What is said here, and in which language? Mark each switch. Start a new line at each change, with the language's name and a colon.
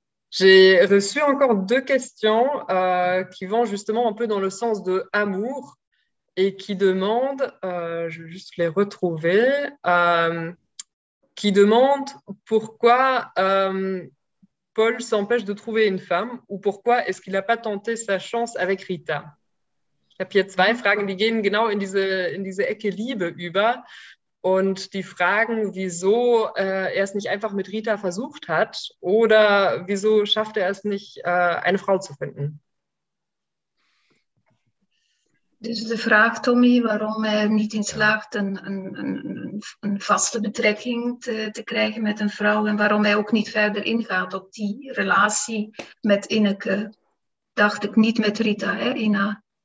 French: J'ai reçu encore deux questions qui vont justement un peu dans le sens de amour. Et qui demande, je vais juste les retrouver, qui demande pourquoi Paul s'empêche de trouver une femme ou pourquoi est-ce qu'il n'a pas tenté sa chance avec Rita.
German: Ich habe hier zwei Fragen, die gehen genau in diese Ecke Liebe über und die fragen, wieso er es nicht einfach mit Rita versucht hat oder wieso schafft er es nicht, eine Frau zu finden.
Dutch: Dus de vraag, Tommy, waarom hij niet in slaagt een vaste betrekking te krijgen met een vrouw en waarom hij ook niet verder ingaat op die relatie met Ineke. Dacht ik niet met Rita, hè, Ina?